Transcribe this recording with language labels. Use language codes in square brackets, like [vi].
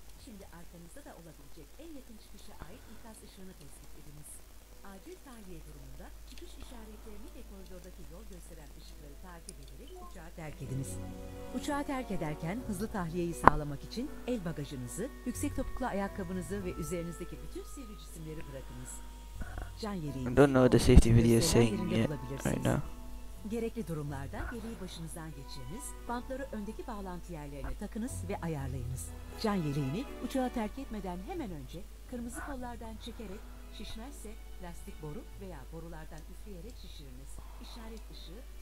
[tr] Şimdi arkanızda da olabilecek en yakın çıkışa ait ikaz ışığını tespit ediniz. Acil tahliye durumunda çıkış işaretlerini ve koridordaki yol gösteren ışıkları takip ederek uçağı terk ediniz. Uçağı terk ederken hızlı tahliyeyi sağlamak için el bagajınızı, yüksek topuklu ayakkabınızı ve üzerinizdeki bütün sivri cisimleri bırakınız. Can yeleğini, [en] I don't know what the safety video is saying yet right now. [tr] Gerekli durumlarda yeleği başınızdan geçiriniz, bantları öndeki bağlantı yerlerine takınız ve ayarlayınız. Can yeleğini uçağı terk etmeden hemen önce kırmızı kollardan çekerek, şişmezse lastik boru veya borulardan üfleyerek şişiriniz. İşaret ışığı,